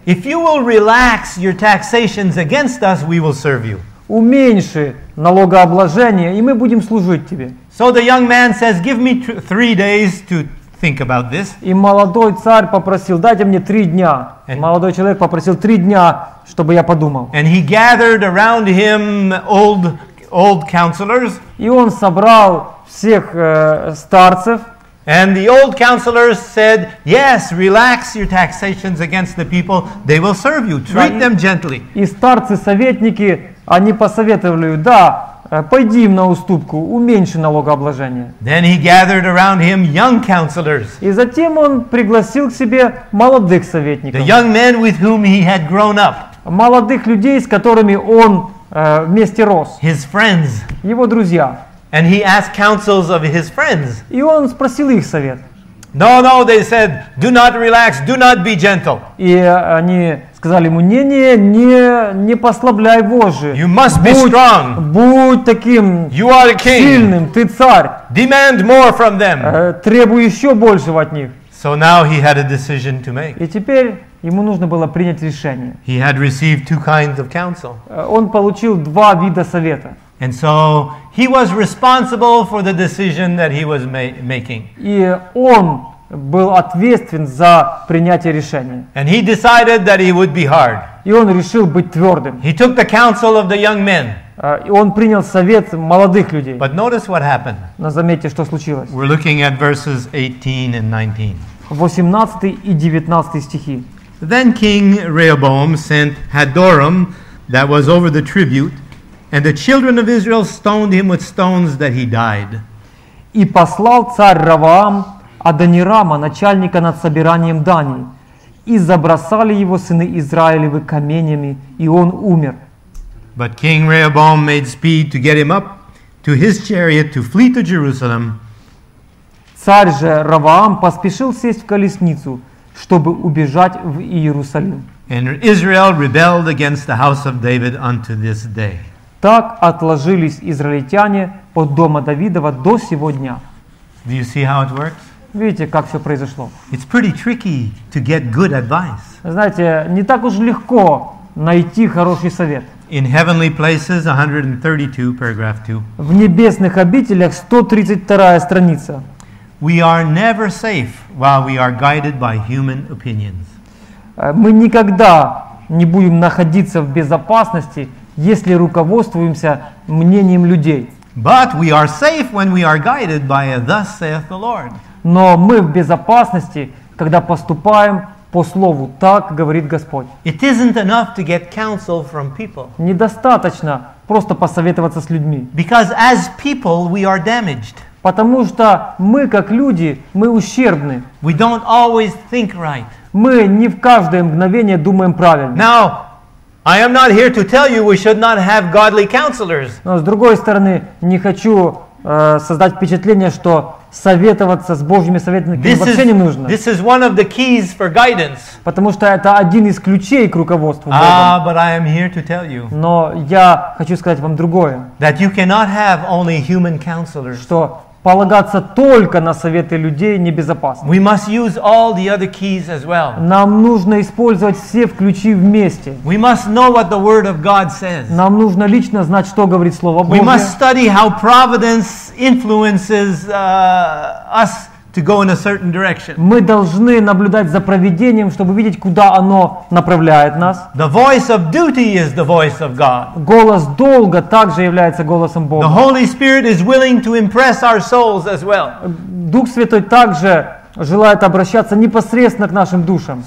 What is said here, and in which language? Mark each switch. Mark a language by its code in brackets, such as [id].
[en] If you will relax your taxations against us, we will serve you. [ru] Уменьши налогообложение, и мы будем служить тебе. [en] So the young man says, give me 3 days to think about this. [ru] И молодой царь попросил: дайте мне 3 дня. And молодой человек попросил 3 дня, чтобы я подумал. [en] And he gathered around him old counselors. [ru] И он собрал всех старцев. [en] And the old counselors said, "Yes, relax your taxations against the people. They will serve you. Treat them gently." [ru] И старцы, советники, они посоветовали: "Да, пойди им на уступку, уменьши налогообложение." [en] Then he gathered around him young counselors. [ru] И затем он пригласил к себе молодых советников. [en] The young men with whom he had grown up. [ru] Молодых людей, с которыми он вместе рос. [en] His friends. [ru] Его друзья. [en] And he asked counsels of his friends. [ru] И он спросил их совет. [en] No, no, they said, do not relax, do not be gentle. [ru] И они сказали ему: не послабляй вожжи. [en] You must be strong. [ru] Будь таким. [en] You are the king. [ru] Сильным, ты царь. [en] Demand more from them. [ru] Требуй еще большего от них. [en] So now he had a decision to make. [ru] И теперь ему нужно было принять решение. [en] He had received 2 kinds of counsel. [ru] Он получил 2 вида совета. [en] And so he was responsible for the decision that he was making. [ru] И он был ответственен за принятие решения. [en] And he decided that he would be hard. [ru] И он решил быть твердым. [en] He took the counsel of the young men. [ru] Он принял совет молодых людей. [en] But notice what happened. [ru] Но заметьте, что случилось. [en] We're looking at verses 18 and 19. [ru] 18 и 19 стихи. [en] Then King Rehoboam sent Hadoram, that was over the tribute, and the children of Israel stoned him with stones that he died. [ru] И послал царь Раваам Адонирама, начальника над собиранием дани, и забросали его сыны Израилевы каменями, и он умер. [en] But King Rehoboam made speed to get him up to his chariot to flee to Jerusalem. [ru] Царь же Раваам поспешил сесть в колесницу, чтобы убежать в Иерусалим. [en] And Israel rebelled against the house of David unto this day. [ru] Так отложились израильтяне от дома Давидова до сего дня. [en] Do you see how it works? [ru] Видите, как все произошло? [en] It's pretty tricky to get good advice. [ru] Знаете, не так уж легко найти хороший совет. [en] In heavenly places, 132, paragraph 2. [ru] В небесных обителях 132 страница. [en] We are never safe while we are guided by human opinions. [ru] Мы никогда не будем находиться в безопасности, если руководствуемся мнением людей. [en] But we are safe when we are guided by a thus saith the Lord. [ru] Но мы в безопасности, когда поступаем по слову, так говорит Господь. [en] It isn't enough to get counsel from people. [ru] Недостаточно просто посоветоваться с людьми. [en] Because as people we are damaged. [ru] Потому что мы, как люди, мы ущербны. [en] We don't always think right. [ru] Мы не в каждое мгновение думаем правильно. [en] Now, I am not here to tell you we should not have godly counselors. [ru] Но с другой стороны, не хочу создать впечатление, что советоваться с Божьими советниками вообще не нужно. [en] This is one of the keys for guidance. [ru] Потому что это один из ключей к руководству Богом. [en] But I am here to tell you. [ru] Но я хочу сказать вам другое. [en] That you cannot have only human counselors. [ru] Что полагаться только на советы людей небезопасно. [en] We must use all the other keys as well. [ru] Нам нужно использовать все ключи вместе. [en] We must know what the Word of God says. [ru] Нам нужно лично знать, что говорит Слово Божье. [en] We must study how providence influences us to go in a certain direction. [ru] Мы должны наблюдать за провидением, чтобы видеть, куда оно направляет нас. [en] The voice of duty is the voice of God. [ru] Голос долга также является голосом Бога. [en] The Holy Spirit is willing to impress our souls as well. [ru] Дух Святой также желает обращаться непосредственно к нашим душам.